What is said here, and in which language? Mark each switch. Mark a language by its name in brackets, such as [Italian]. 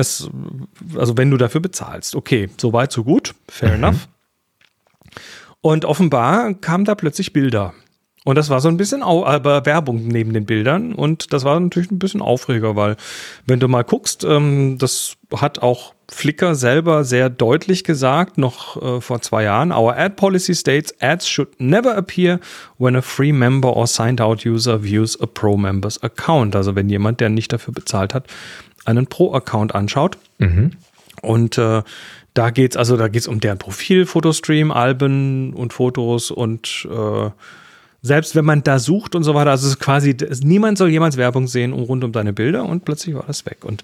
[German] Also wenn du dafür bezahlst. Okay, so weit, so gut. [English] Fair enough. [German] Und offenbar kamen da plötzlich Bilder. Und das war so ein bisschen aber Werbung neben den Bildern. Und das war natürlich ein bisschen aufregender, weil wenn du mal guckst, das hat auch Flickr selber sehr deutlich gesagt, noch vor 2 Jahren. [English] Our ad policy states, ads should never appear when a free member or signed out user views a pro member's account. [German] Also wenn jemand, der nicht dafür bezahlt hat, einen Pro-Account anschaut. Mhm. Und da geht's um deren Profil, Fotostream, Alben und Fotos und selbst wenn man da sucht und so weiter, also es ist quasi, niemand soll jemals Werbung sehen rund um deine Bilder und plötzlich war das weg.